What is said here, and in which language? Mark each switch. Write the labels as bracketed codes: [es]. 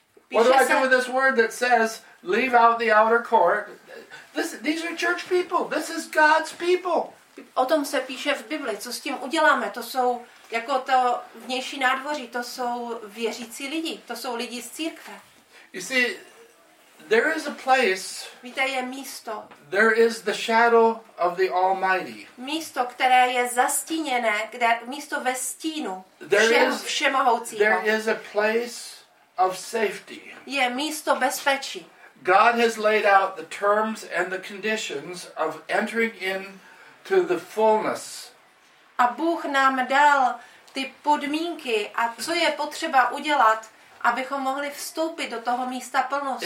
[en] What do I do with this word that says leave out the outer court? These are church people. This is God's people. [cs] O tom se píše v Bibli. Co s tím uděláme? To jsou jako to vnější nádvoří. To jsou věřící lidi. To jsou lidi z církve. [en] You see, there is a place. [cs] Víte, je místo. [en] There is the shadow of the Almighty. [cs] Místo, které je zastíněné, kde místo ve stínu všemohoucího. [en] There is a place of safety. [cs] Je místo bezpečí. [en] God has laid out the terms and the conditions of entering in to the fullness. [cs] A Bůh nám dal ty podmínky a co je potřeba udělat, abychom mohli vstoupit do toho místa plnosti.